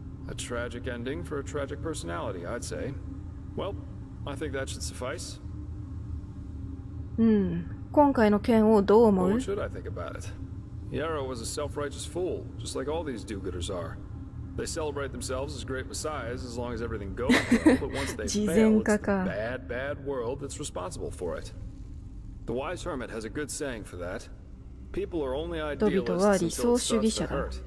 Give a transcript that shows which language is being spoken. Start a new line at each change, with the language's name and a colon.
English: A tragic ending for a tragic personality, I'd say. Well, I think that should suffice
Japanese: うん、今回の件をどう思う？
English: What should I think about it? Yarrow was a self-righteous fool, just like all these do-gooders are. They celebrate themselves as great messiahs as long as everything goes well, but once they fail, it's the bad, bad world that's responsible for it. The wise hermit has a good saying for that. People are only idealists until it starts to hurt.